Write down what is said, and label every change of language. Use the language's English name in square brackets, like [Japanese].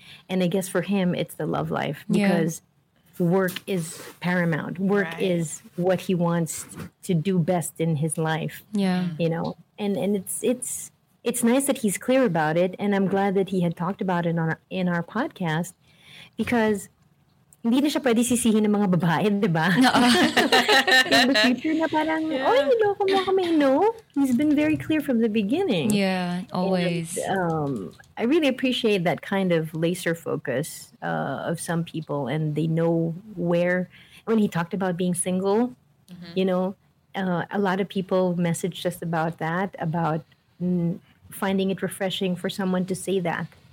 [English] And I guess for him, it's the love life, because work is paramount. Work is what he wants to do best in his life. Yeah. You know, and it's nice that he's clear about it. And I'm glad that he had talked about it in our podcast. [Filipino] Because hindi na siya pwede sisihin ng mga babae, di ba? [English] No. In the future [Filipino] na parang, oh, loko mo kami, no? [English] He's been very clear from the beginning. Yeah, always. And, I really appreciate that kind of laser focus of some people, and they know where when he talked about being single, mm-hmm. you know, a lot of people messaged us about that, about finding it refreshing for someone to say that.